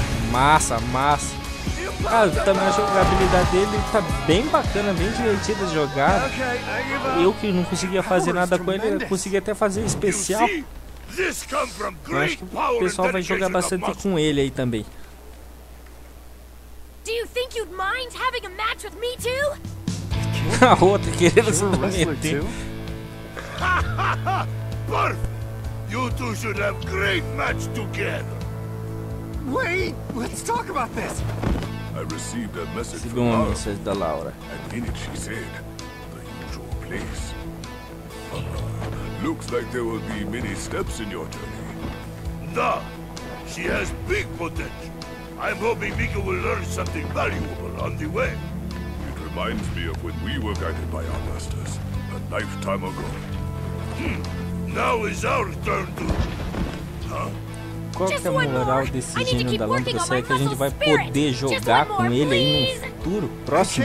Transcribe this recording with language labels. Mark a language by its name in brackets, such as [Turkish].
[Portuguese] Massa, massa. Cara, ah, também a jogabilidade dele tá bem bacana, bem divertida de jogar. Eu que não conseguia fazer nada com ele, consegui até fazer especial. Eu acho que o pessoal vai jogar bastante com ele aí também. [English] Do you think you'd mind having a match with me too? [Portuguese] A outra querendo se dominar. [English] Perfect. You two should have great match together. Wait, let's talk about this. I received a message from Laura. Message da Laura. And in it she said, the usual place. Looks like there will be many steps in your journey. Nah, she has big potential. I'm hoping Mika will learn something valuable on the way. It reminds me of when we were guided by our masters, a lifetime ago. Now is our turn to... [Portuguese] Qual que é a moral desse gênio da lâmpada? Será que a gente vai poder jogar com ele aí no futuro? Próximo?